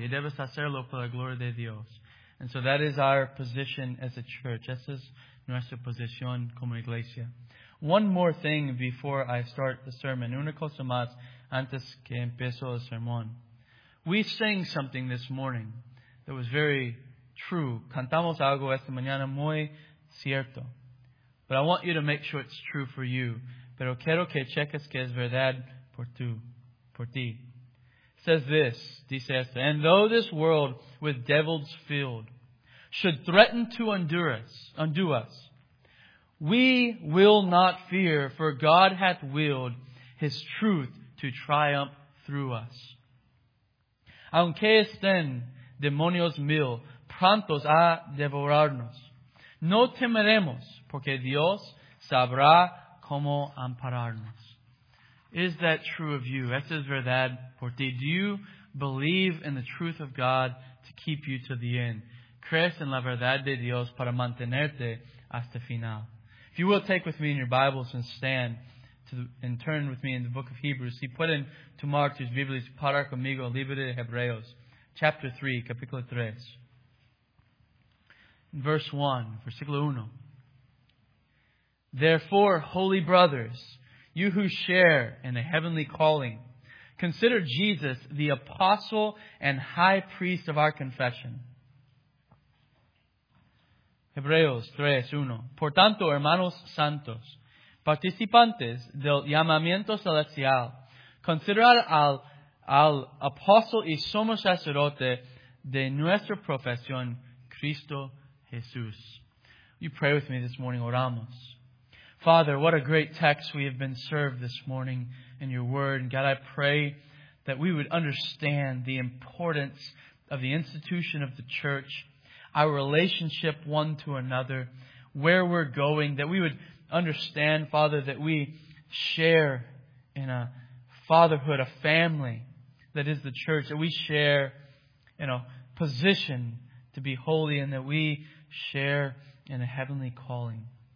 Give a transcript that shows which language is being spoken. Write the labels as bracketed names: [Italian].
[Spanish] Y debes hacerlo por la gloria de Dios. [English] And so that is our position as a church. [Spanish] Esa es nuestra posición como iglesia. [English] One more thing before I start the sermon. [Spanish] Una cosa más antes que empiezo el sermón. [English] We sang something this morning that was very true. [Spanish] Cantamos algo esta mañana muy cierto. [English] But I want you to make sure it's true for you. [Spanish] Pero quiero que cheques que es verdad por ti. [English] Says this, [Spanish] dice esto, [English] and though this world with devils filled should threaten to undo us, we will not fear, for God hath willed His truth to triumph through us. [Spanish] Aunque estén demonios mil prontos a devorarnos, no temeremos, porque Dios sabrá cómo ampararnos. [English] Is that true of you? [Spanish] Esa es verdad. [English] Do you believe in the truth of God to keep you to the end? [Spanish] ¿Crees en la verdad de Dios para mantenerte hasta final? [English] If you will take with me in your Bibles and stand and turn with me in the book of Hebrews, [Spanish] si pueden tomar tus Biblias, parar conmigo, libro de Hebreos, [English] chapter 3, [Spanish] capítulo 3. [English] Verse 1, [Spanish] versículo 1. [English] Therefore, holy brothers, you who share in the heavenly calling, consider Jesus, the apostle and high priest of our confession. [Spanish] Hebreos 3:1. Por tanto, hermanos santos, participantes del llamamiento celestial, considerad al apóstol y sumo sacerdote de nuestra profesión, Cristo Jesús. [English] You pray with me this morning, [Spanish] oramos. [English] Father, what a great text we have been served this morning in your word. And God, I pray that we would understand the importance of the institution of the church, our relationship one to another, where we're going, that we would understand, Father, that we share in a fatherhood, a family that is the church, that we share in a position to be holy, and that we share in a heavenly calling.